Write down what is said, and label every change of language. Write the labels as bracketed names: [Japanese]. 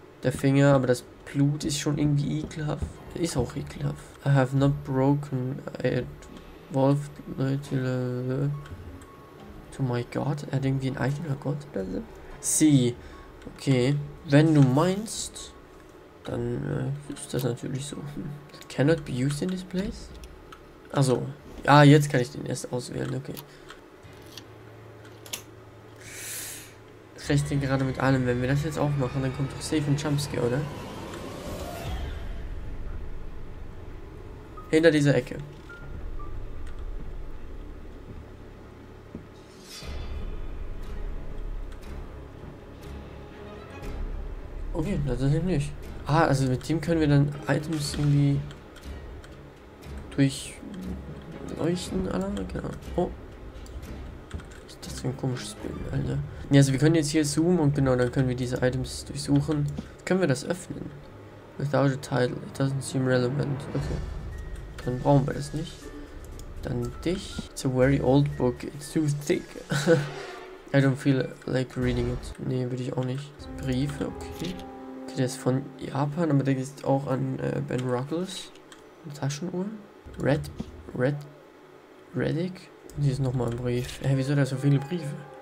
[German] Der Finger, aber das Blut ist schon irgendwie ekelhaft. Ist auch ekelhaft. [English] I have not broken... To my God? [German] Er hat irgendwie ein eigener Gott oder so? See. Okay. Wenn du meinst... Dann ist das natürlich so. [English] It cannot be used in this place? [German] Achso. Ja, jetzt kann ich den erst auswählen. Okay. Schlecht denn gerade mit allem. Wenn wir das jetzt aufmachen, dann kommt doch safe ein Jumpscare, oder? Hinter dieser Ecke. Okay, natürlich nicht. Ah, also mit dem können wir dann Items irgendwie durch Leuchtenalarm, genau. Oh. Was ist das für ein komisches Bild, Alter? Ne, also wir können jetzt hier zoomen und genau, dann können wir diese Items durchsuchen. Können wir das öffnen? [English] Without a title, it doesn't seem relevant. Okay. [German] Dann brauchen wir das nicht. Dann dich. [English] It's a very old book, it's too thick. I don't feel like reading it. [German] Ne, würde ich auch nicht. Briefe, okay. Okay, der ist von Japan, aber der geht auch an Ben Ruggles. Eine Taschenuhr. Reddick. Und hier ist nochmal ein Brief. Hä, wieso da so viele Briefe?